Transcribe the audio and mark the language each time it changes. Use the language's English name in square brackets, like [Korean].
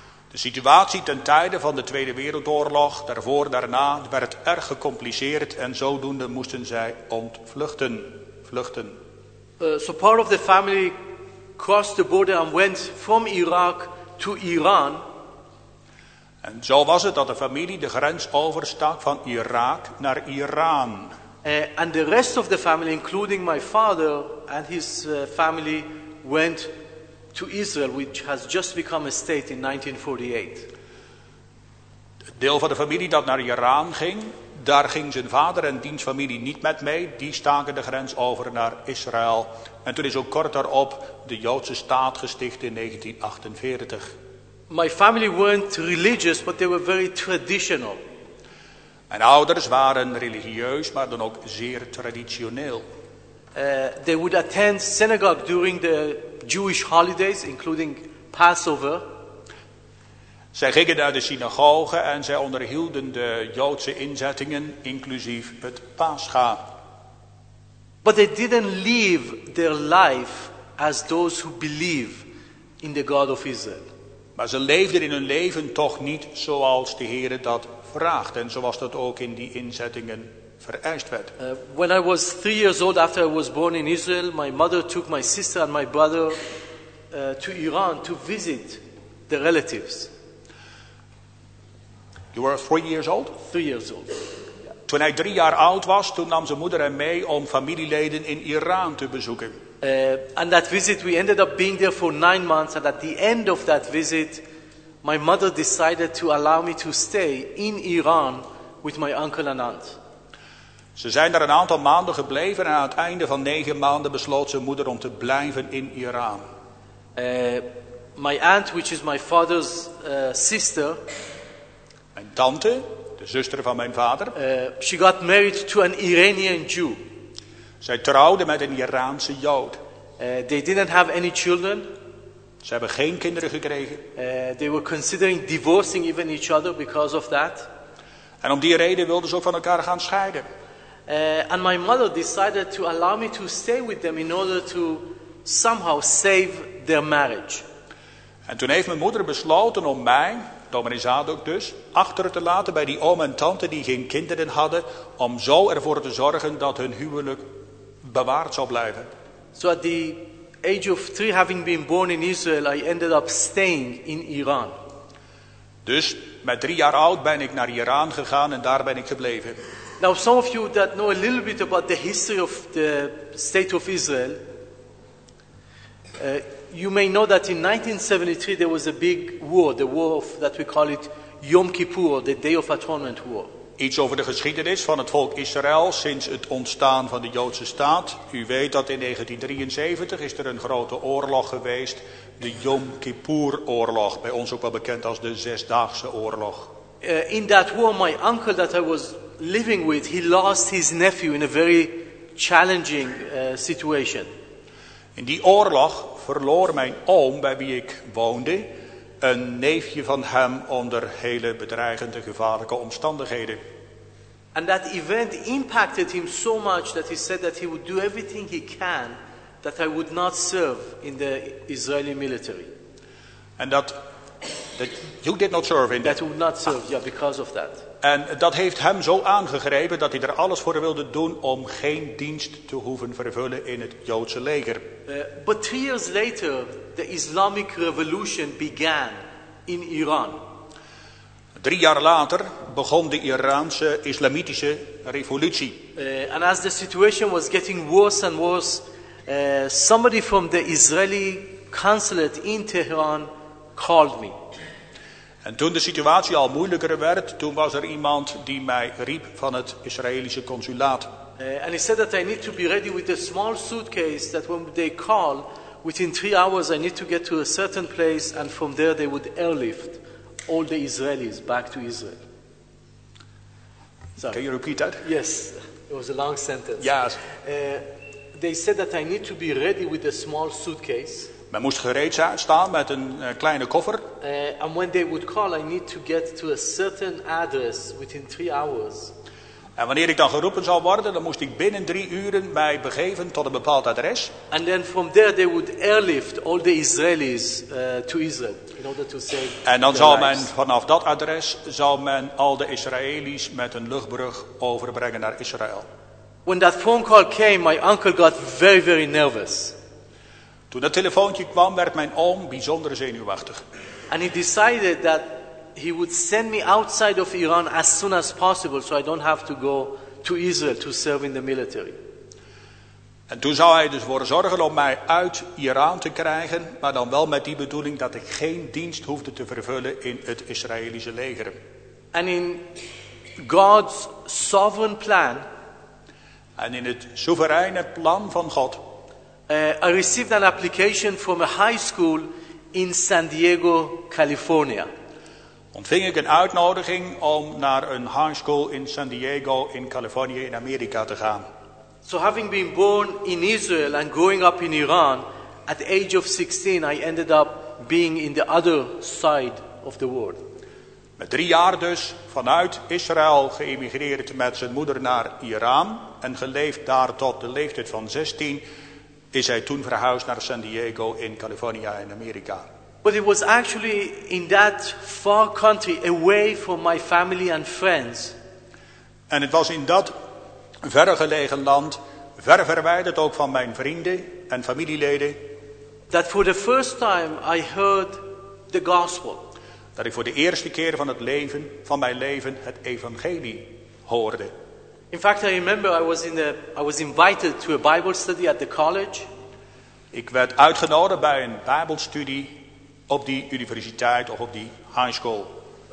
[Dutch] De situatie ten tijde van de Tweede Wereldoorlog, daarvoor, daarna, werd erg gecompliceerd en zodoende moesten zij ontvluchten, vluchten. [English] So part of the family crossed the border and went from Iraq to Iran. [Dutch] En zo was het dat de familie de grens overstak van Irak naar Iran. [English] And the rest of the family, including my father and his family, went to Israel, which has just become a state in 1948. [Dutch] Het deel van de familie dat naar Iran ging, daar ging zijn vader en diens familie niet met mee. Die staken de grens over naar Israël. En toen is ook kort daarop de Joodse staat gesticht in 1948. [English] My family weren't religious, but they were very traditional. [Dutch] Mijn ouders waren religieus, maar dan ook zeer traditioneel. [English] They would attend synagogue during the Jewish holidays, including Passover. [Dutch] Zij gingen naar de synagoge en zij onderhielden de Joodse inzettingen, inclusief het Pascha. [English] But they didn't live their life as those who believe in the God of Israel. [Dutch] Maar ze leefden in hun leven toch niet zoals de Heere dat vraagt en zoals dat ook in die inzettingen vereist werd. [English] When I was 3 years old after I was born in Israel, my mother took my sister and my brother to Iran to visit the relatives. You were 3 years old? 3 years old. [Dutch] Toen hij 3 jaar oud was, toen nam zijn moeder hem mee om familieleden in Iran te bezoeken. [English] And that visit, we ended up being there for 9 months. And at the end of that visit, my mother decided to allow me to stay in Iran with my uncle and aunt. [Dutch] Ze zijn daar een aantal maanden gebleven en aan het einde van 9 maanden besloot zijn moeder om te blijven in Iran. [English] My aunt, which is my father's sister. [Dutch] Mijn tante, de zuster van mijn vader. [English] She got married to an Iranian Jew. [Dutch] Zij trouwde met een Iraanse Jood. [English] They didn't have any children. [Dutch] Ze hebben geen kinderen gekregen. [English] They were considering divorcing even each other because of that. [Dutch] En om die reden wilden ze ook van elkaar gaan scheiden. [English] And my mother decided to allow me to stay with them in order to somehow save their marriage. [Dutch] En toen heeft mijn moeder besloten om mij, dominee Zadok dus, achter te laten bij die oom en tante die geen kinderen hadden, om zo ervoor te zorgen dat hun huwelijk bewaard zou blijven. [English] So at the age of 3, having been born in Israel, I ended up staying in Iran. [Dutch] Dus met 3 jaar oud ben ik naar Iran gegaan en daar ben ik gebleven. [English] Now some of you that know a little bit about the history of the state of Israel, you may know that in 1973 there was a big war, the war of that we call it Yom Kippur, the Day of Atonement war. [Dutch] Iets over de geschiedenis van het volk Israël sinds het ontstaan van de Joodse staat. U weet dat in 1973 is er een grote oorlog geweest, de Yom Kippur oorlog, bij ons ook wel bekend als de Zesdaagse oorlog. [English] In that war my uncle that I was living with, he lost his nephew in a very challenging situation. [Dutch] In die oorlog verloor mijn oom, bij wie ik woonde, een neefje van hem onder hele bedreigende, gevaarlijke omstandigheden. [English] And that event impacted him so much that he said that he would do everything he can that I would not serve in the Israeli military. And that you did not serve in that. That would not serve, yeah, because of that. [Dutch] En dat heeft hem zo aangegrepen dat hij er alles voor wilde doen om geen dienst te hoeven vervullen in het Joodse leger. [English] But 3 years later, the Islamic revolution began in Iran. [Dutch] 3 jaar later begon de Iraanse islamitische revolutie. [English] And as the situation was getting worse and worse, somebody from the Israeli consulate in Tehran called me. [Dutch] En toen de situatie al moeilijker werd, toen was er iemand die mij riep van het Israëlische consulaat. [English] And he said that I need to be ready with a small suitcase, that when they call, within 3 hours I need to get to a certain place, and from there they would airlift all the Israelis back to Israel. Sorry. Can you repeat that? Yes, it was a long sentence. Yes. They said that I need to be ready with a small suitcase. [Dutch] Men moest gereed staan met een kleine koffer. [English] And when they would call, I need to get to a certain address within 3 hours. [Dutch] En wanneer ik dan geroepen zou worden, dan moest ik binnen 3 uren mij begeven tot een bepaald adres. [English] And then from there they would airlift all the Israelis to Israel in order to save. [Dutch] En dan zou [English] lives. [Dutch] Men vanaf dat adres zou men al de Israëli's met een luchtbrug overbrengen naar Israël. [English] When that phone call came, my uncle got very, very nervous. [Dutch] Toen dat telefoontje kwam, werd mijn oom bijzonder zenuwachtig. [English] And he decided that he would send me outside of Iran as soon as possible, so I don't have to go to Israel to serve in the military. [Dutch] En toen zou hij dus voor zorgen om mij uit Iran te krijgen, maar dan wel met die bedoeling dat ik geen dienst hoefde te vervullen in het Israëlische leger. [English] And in God's sovereign plan, [Dutch] en in het soevereine plan van God, [English] I received an application from a high school in San Diego, California. [Dutch] Ontving ik een uitnodiging om naar een high school in San Diego in Californië in Amerika te gaan. [English] So having been born in Israel and growing up in Iran, at the age of 16 I ended up being in the other side of the world. [Dutch] Met 3 jaar dus vanuit Israël geëmigreerd met zijn moeder naar Iran en geleefd daar tot de leeftijd van 16 is hij toen verhuisd naar San Diego in Californië in Amerika. [English] But it was actually in that far country, away from my family and friends. [Dutch] En het was in dat verre gelegen land, ver verwijderd ook van mijn vrienden en familieleden, [English] that for the first time I heard the gospel. [Dutch] Dat ik voor de eerste keer van het leven, van mijn leven, het evangelie hoorde. [English] In fact, I remember I was invited to a Bible study at the college. [Dutch] Ik werd uitgenodigd bij een Bijbelstudie op die universiteit of op die high school.